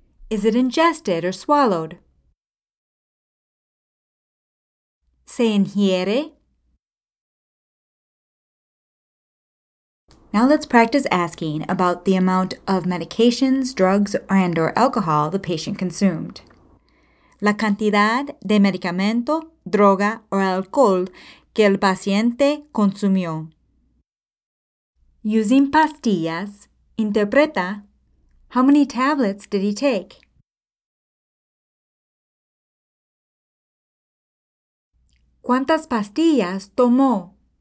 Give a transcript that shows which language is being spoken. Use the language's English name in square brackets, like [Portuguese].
[English] Is it ingested or swallowed? [Spanish] Se ingiere. [English] Now let's practice asking about the amount of medications, drugs, and/or alcohol the patient consumed. [Spanish] La cantidad de medicamento, droga, o alcohol que el paciente consumió. [English] Using pastillas, interpreta, how many tablets did he take? [Spanish] ¿Cuántas pastillas tomó?